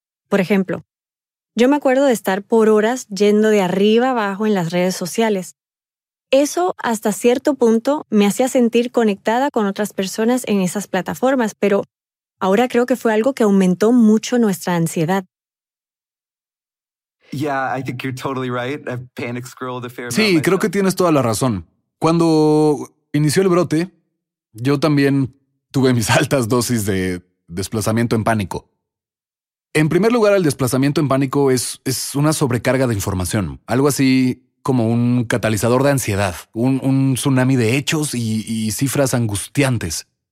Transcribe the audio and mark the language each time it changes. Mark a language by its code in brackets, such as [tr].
[es] Por ejemplo, yo me acuerdo de estar por horas yendo de arriba abajo en las redes sociales. Eso, hasta cierto punto, me hacía sentir conectada con otras personas en esas plataformas, pero ahora creo que fue algo que aumentó mucho nuestra ansiedad. [en] Yeah, I think you're totally right. I've panic scrolled a fair amount. [es] Sí, creo que tienes toda la razón. Cuando inició el brote, yo también tuve mis altas dosis de desplazamiento en pánico. En primer lugar, el desplazamiento en pánico es una sobrecarga de información, algo así como un catalizador de ansiedad, un tsunami de hechos y cifras angustiantes.